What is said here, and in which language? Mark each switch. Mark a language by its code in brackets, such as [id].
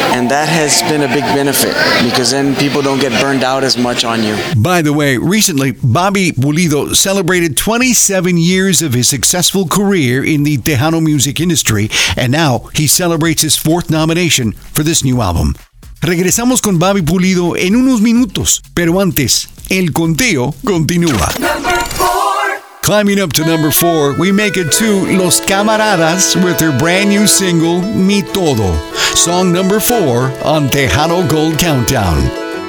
[en] And that has been a big benefit, because then people don't get burned out as much on you. By the way, recently, Bobby Pulido celebrated 27 years of his successful career in the Tejano music industry, and now he celebrates his fourth nomination for this new album. [es] Regresamos con Bobby Pulido en unos minutos, pero antes, el conteo continúa. [en] Climbing up to number four, we make it to Los Camaradas with their brand new single, Mi Todo. Song number four on Tejano Gold Countdown.